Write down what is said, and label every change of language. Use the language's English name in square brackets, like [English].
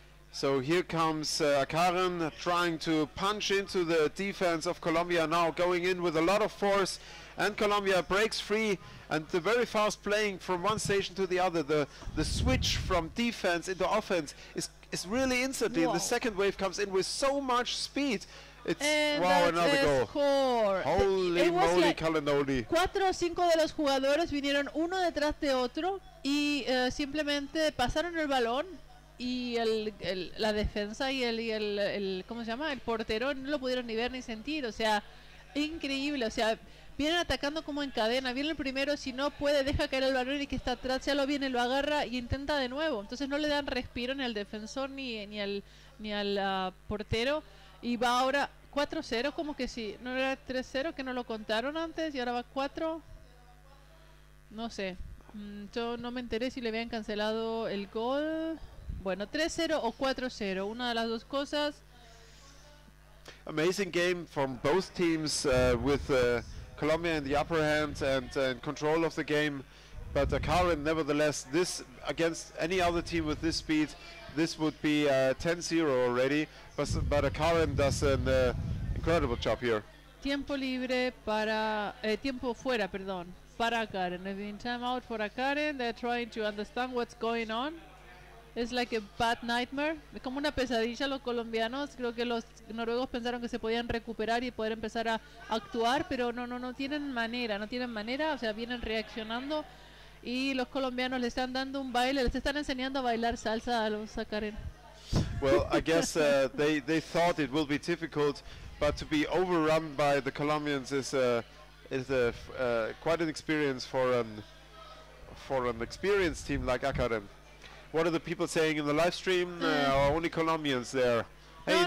[English] So here comes Karen trying to punch into the defense of Colombia, now going in with a lot of force, and Colombia breaks free, and the very fast playing from one station to the other, the switch from defense into offense is really instantly. Wow. The second wave comes in with so much speed. It's and wow, another goal. Score. Holy moly, Calenoli. [Spanish] 4 or 5 de los jugadores vinieron uno detrás de otro y simplemente pasaron el balón. Y la defensa y el ¿cómo se llama? El portero no lo pudieron ni ver ni sentir, o sea, increíble, o sea, vienen atacando como en cadena, viene el primero, si no puede, deja caer el balón y que está atrás, ya lo viene, lo agarra y intenta de nuevo. Entonces no le dan respiro ni al defensor ni al portero y va ahora 4-0, como que sí, no era 3-0, que no lo contaron antes y ahora va 4, no sé, yo no me enteré si le habían cancelado el gol... Bueno, 3-0 o 4-0, una de las dos cosas. [English] Amazing game from both teams, with Colombia in the upper hand and control of the game. But Karen, nevertheless, this against any other team with this speed, this would be 10-0 already. But Karen does an incredible job here. [Spanish] Tiempo libre para tiempo fuera, perdón, para Karen. [English] It's been time out for Karen. They're trying to understand what's going on. It's like a bad nightmare. [Spanish] Es como una pesadilla los colombianos. Creo que los noruegos pensaron que se podían recuperar y poder empezar a actuar, pero no tienen manera, no tienen manera. O sea, vienen reaccionando y los colombianos le están dando un baile, les están enseñando a bailar salsa a los sacaren. [English] Well, I guess they thought it will be difficult, but to be overrun by the Colombians is quite an experience for an experienced team like Akaren. What are the people saying in the live stream? Only Colombians there. Hey,